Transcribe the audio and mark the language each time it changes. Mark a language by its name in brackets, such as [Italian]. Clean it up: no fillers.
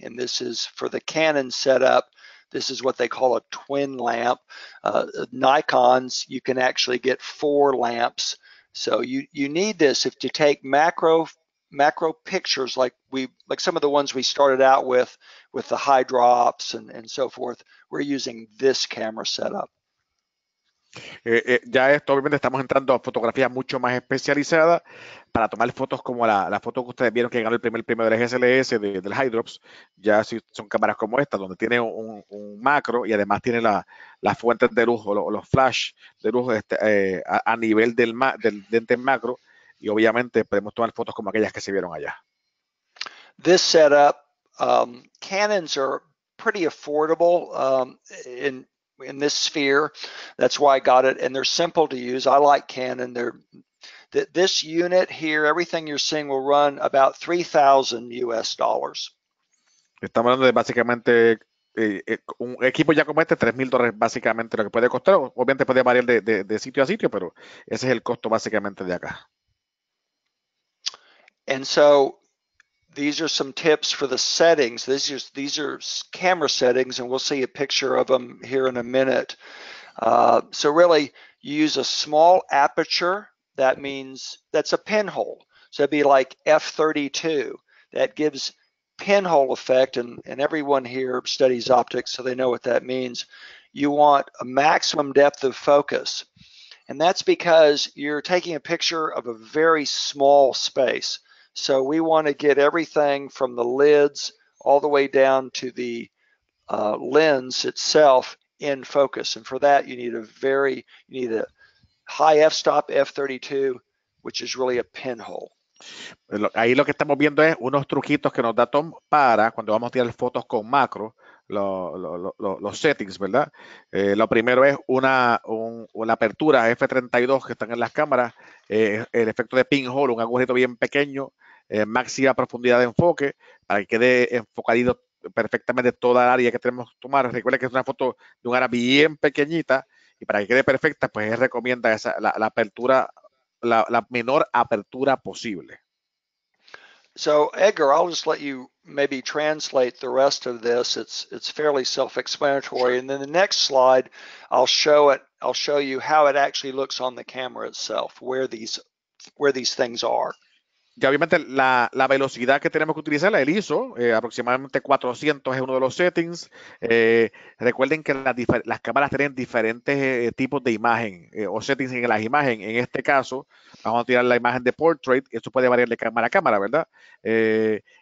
[English] And this is for the Canon setup. This is what they call a twin lamp. Nikons, you can actually get four lamps. So you need this if to take macro pictures like some of the ones we started out with the high drops and so forth. We're using this camera setup. [Spanish] Ya esto obviamente estamos entrando a fotografía mucho más especializada para tomar fotos como la foto que ustedes vieron que ganó el primer premio del SLS del High Drops. Ya si son cámaras como esta donde tiene un macro y además tiene las fuentes de luz o los flash de luz a nivel del lente macro, y obviamente podemos tomar fotos como aquellas que se vieron allá. [English] This setup, Canons are pretty affordable in this sphere. That's why I got it, and they're simple to use. I like Canon. This unit here, everything you're seeing, will run about $3,000. Estamos hablando de básicamente un equipo ya como este, $3,000 básicamente lo que puede costar. Obviamente puede variar de sitio a sitio, pero ese es el costo básicamente de acá. And so these are some tips for the settings. These are camera settings, and we'll see a picture of them here in a minute. So really, you use a small aperture. That means that's a pinhole. So it'd be like f/32. That gives pinhole effect, and everyone here studies optics, so they know what that means. You want a maximum depth of focus. And that's because you're taking a picture of a very small space. So we want to get everything from the lids all the way down to the lens itself in focus. And for that, you need a high f-stop, f/32, which is really a pinhole. [Spanish] Ahí lo que estamos viendo es unos truquitos que nos da Tom para cuando vamos a tirar fotos con macro, los settings, ¿verdad? Lo primero es una apertura f/32 que están en las cámaras, el efecto de pinhole, un agujerito bien pequeño, máxima profundidad de enfoque para que quede enfocado perfectamente toda el área que tenemos que tomar. Recuerda que es una foto de un área bien pequeñita, y para que quede perfecta, pues él recomienda la apertura, la menor apertura posible. [English] So Edgar, I'll just let you maybe translate the rest of this. It's fairly self-explanatory. Sure. And then the next slide, I'll show you how it actually looks on the camera itself, where these things are. [Spanish] Ya obviamente la velocidad que tenemos que utilizar, el ISO, aproximadamente 400 es uno de los settings. Recuerden que las cámaras tienen diferentes tipos de imagen o settings en las imágenes. En este caso, vamos a tirar la imagen de portrait. Esto puede variar de cámara a cámara, ¿verdad?